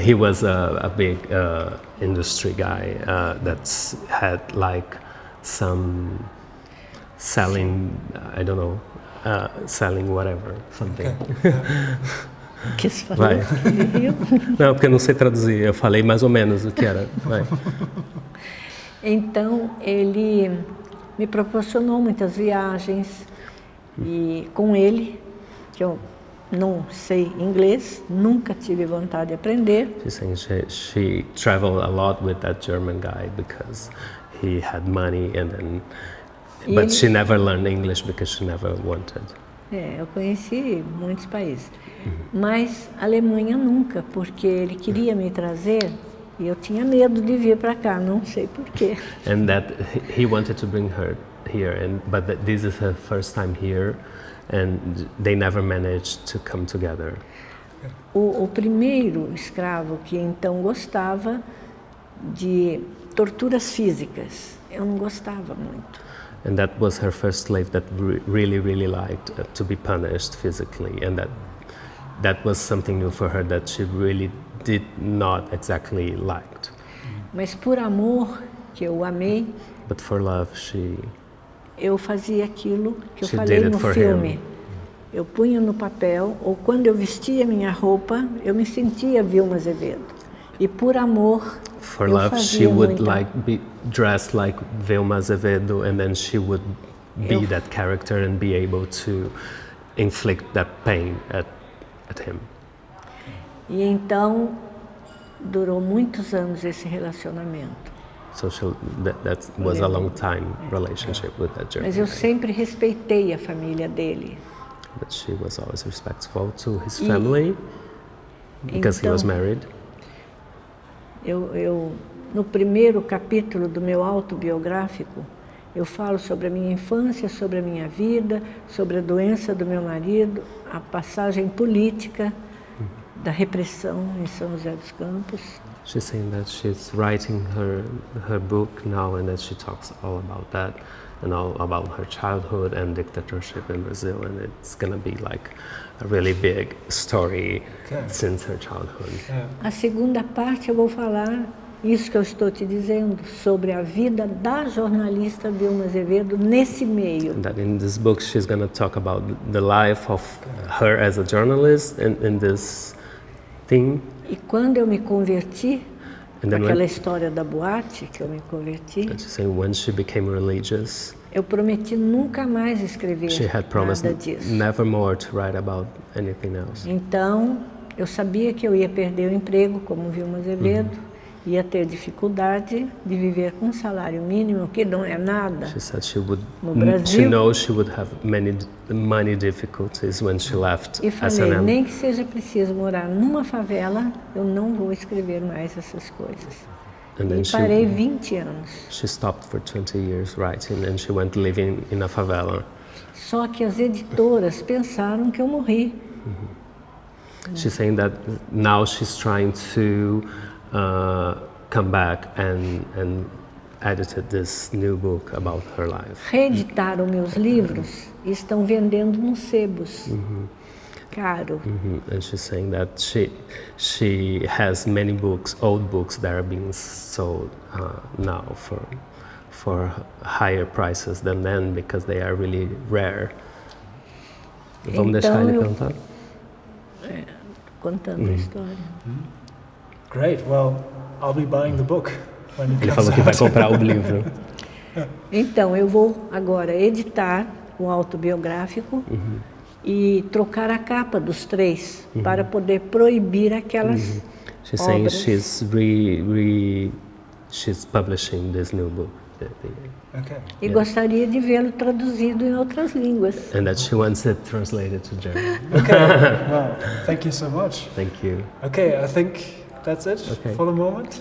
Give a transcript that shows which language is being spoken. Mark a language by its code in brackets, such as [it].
[en] He was a big industry guy that had like some selling, I don't know, selling whatever, something. [pt] Okay. Quis falar. Vai. Não, porque eu não sei traduzir. Eu falei mais ou menos o que era. Vai. Então ele me proporcionou muitas viagens e com ele que eu não sei inglês, nunca tive vontade de aprender. [en] She's saying she traveled a lot with that German guy because he had money, and then, but she never learned English because she never wanted. [pt] É, eu conheci muitos países, mas Alemanha nunca, porque ele queria me trazer e eu tinha medo de vir para cá, não sei por quê. [en] And that he wanted to bring her here, and but that this is her first time here. And they never managed to come together. [pt] O primeiro escravo que então gostava de torturas físicas, eu não gostava muito. [en] And that was her first slave that really liked to be punished physically, and that was something new for her that she really did not exactly liked. [pt] Mas por amor que eu amei. [en] But for love she. [pt] Eu fazia aquilo que eu falei no filme. Eu punha no papel, ou quando eu vestia minha roupa, eu me sentia Wilma Azevedo. E por amor, [en] for love, she would like be dressed like Wilma Azevedo, and then she would be that character and be able to inflict that pain at him. [pt] E então durou muitos anos esse relacionamento. [en] Social, that was a long time relationship with that German. [pt] Mas eu sempre respeitei a família dele. [en] But she was always respectful to his family, because [pt] então, [en] he was married. [pt] Eu no primeiro capítulo do meu autobiográfico, eu falo sobre a minha infância, sobre a minha vida, sobre a doença do meu marido, a passagem política da repressão em São José dos Campos. [en] She's saying that she's writing her book now, and that she talks all about that, and all about her childhood and dictatorship in Brazil, and it's gonna be like a really big story since her childhood. Yeah. [pt] A segunda parte eu vou falar isso que eu estou te dizendo sobre a vida da jornalista Wilma Azevedo nesse meio. [en] That in this book she's gonna talk about the life of her as a journalist in this thing. [pt] E quando eu me converti, aquela história da boate que eu me converti. [en] Saying, when she became religious. [pt] Eu prometi nunca mais escrever [en] she had promised [pt] nada disso. [en] Never more to write about anything else. [pt] Então, eu sabia que eu ia perder o emprego como Wilma Azevedo, ia ter dificuldade de viver com um salário mínimo, que não é nada. [en] She said she would she knows she would have many money difficulties when she left. [pt] E falei, nem que seja preciso morar numa favela, eu não vou escrever mais essas coisas. [en] And then [pt] e parei 20 anos. [en] She stopped for 20 years writing and she went living in a favela. [pt] Só que as editoras pensaram que eu morri. [en] She's saying that now she's trying to come back and edited this new book about her life. [pt] Reeditaram meus livros e estão vendendo nos sebos. Caro. [en] And she's saying that she has many books, old books that are being sold now for higher prices than then because they are really rare. [pt] Então, vamos deixar ele contar? Contando a história. [en] Great. Well, I'll be buying the book when it comes out. [pt] Ele falou que vai comprar o livro. Então, eu vou agora editar o autobiográfico e trocar a capa dos três para poder proibir aquelas obras. [en] She's saying she's she's publishing this new book. Okay. [pt] E gostaria de vê-lo traduzido em outras línguas. [en] And that she wants it translated to German. Okay. Well, thank you so much. Thank you. Okay, I think that's it for the moment.